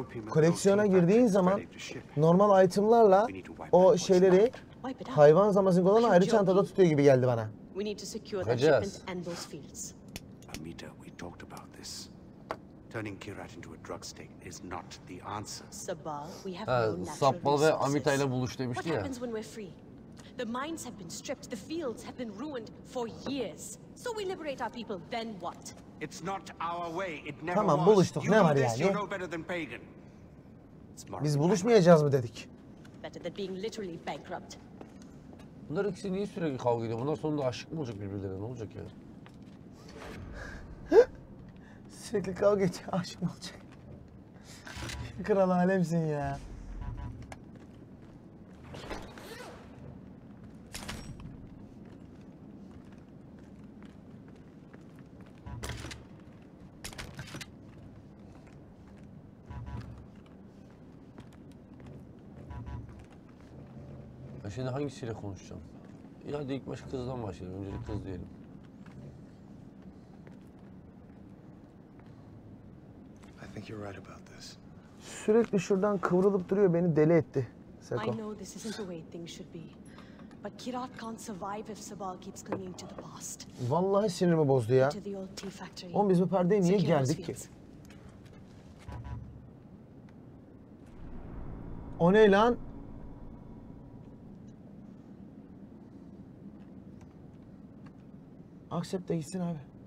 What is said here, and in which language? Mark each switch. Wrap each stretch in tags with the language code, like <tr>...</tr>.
<tr>Koleksiyona girdiğin zaman normal itemlarla o şeyleri hayvan zamazing olan ayrı çantada tutuyor gibi geldi bana.</tr> <en>We need to secure the shipment and those fields. Amita, we talked about this. Turning Kirat into a drug state is not the answer. Sabal, we have no natural resources.</en> <tr>Sabal ve Amita ile buluş demişti ya.</tr> <en>What happens when we're free? The mines have been stripped, the fields have been ruined for years. So we liberate our people, then what? It's not our way. It never was.</en> <tr>Tamam buluştuk, ne var yani?</tr> <en>You know better than pagan.</en> <tr>Biz buluşmayacağız mı dedik?</tr> <en>Better than being literally bankrupt.</en> <tr>Bunlar ikisi niye sürekli kavga ediyor? Bundan sonra da aşık mı olacak birbirlerine? Ne olacak ya? Sürekli kavga ediyor, aşık mı olacak? Kral alemsin ya. Şimdi hangisiyle konuşacağım? Ya hadi ilk başta kızdan başlayalım. Önce kız diyelim.</tr> <en>I think you're right about this.</en> <tr>Sürekli şuradan kıvrılıp duruyor, beni deli etti. Seko.</tr> <en>I know this isn't the way things should be. But Kirat can't survive if Sabal keeps clinging to the past.</en> <tr>Vallahi sinirimi bozdu ya. Oğlum biz bu perdeye niye geldik ki? O ne lan? Accept de gitsin abi.</tr>